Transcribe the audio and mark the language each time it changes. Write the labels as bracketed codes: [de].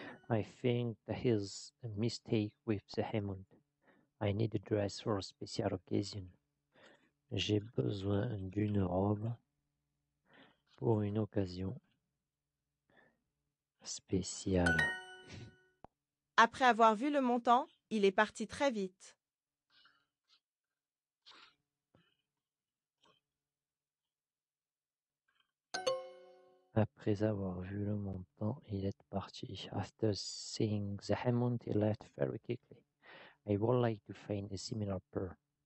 [en] I think there is a mistake with the hemant. I need a dress for a special occasion. [fr] J'ai besoin d'une robe pour une occasion spéciale. Après avoir vu le montant, il est parti très vite. Après avoir vu le montant, il est parti. [en] After seeing the amount, he left very quickly. I would like to find a similar pair.